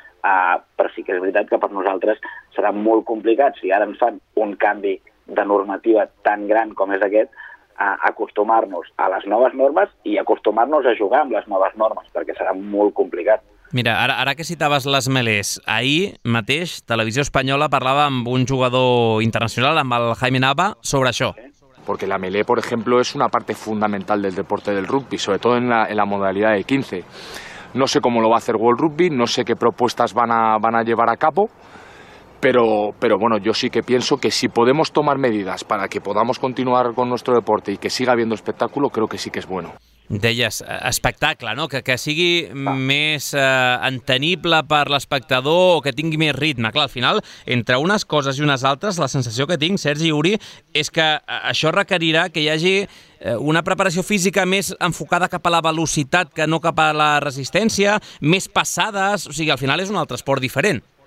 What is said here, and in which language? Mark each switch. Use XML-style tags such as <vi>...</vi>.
<ca>Però sí que és veritat que per nosaltres serà molt complicat, si ara ens fan un canvi de normativa tan gran com és aquest, a acostumar-nos a les noves normes i acostumar-nos a jugar amb les noves normes, perquè serà molt complicat. Mira, ara que citaves les melés, ahir mateix Televisió Espanyola parlava amb un jugador internacional, amb el Jaime Nava, sobre això.</ca> <es>Porque la melé, por ejemplo, es una parte fundamental del deporte del rugby, sobre todo en la modalidad de 15. No sé cómo lo va a hacer World Rugby, no sé qué propuestas van a llevar a cabo, pero bueno, yo sí que pienso que si podemos tomar medidas para que podamos continuar con nuestro deporte y que siga habiendo espectáculo, creo que sí que es bueno.</es> <ca>Deies espectacle, no? Que sigui més entenible per l'espectador o que tingui més ritme. Clar, al final, entre unes coses i unes altres, la sensació que tinc, Sergi i Uri, és que això requerirà que hi hagi una preparació física més enfocada cap a la velocitat que no cap a la resistència, més passades, o sigui, al final és un altre esport diferent.</ca>